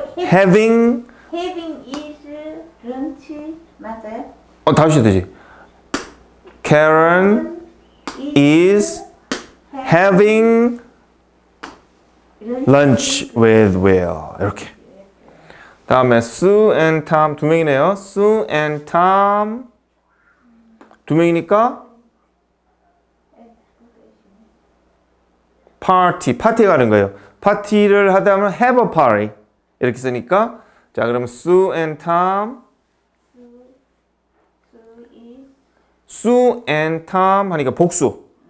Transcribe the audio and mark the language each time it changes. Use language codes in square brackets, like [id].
[en] having is lunch [ko] 맞아요? 다시 되지. [en] Karen is having lunch with Will. [ko] 이렇게. 다음에 Sue and Tom 두 명이네요. Sue and Tom 두 명이니까 party, 파티 가는 거예요. 파티를 하다면 [en] have a party [ko] 이렇게 쓰니까 자, 그럼 Sue and Tom Sue and Tom 하니까 복수.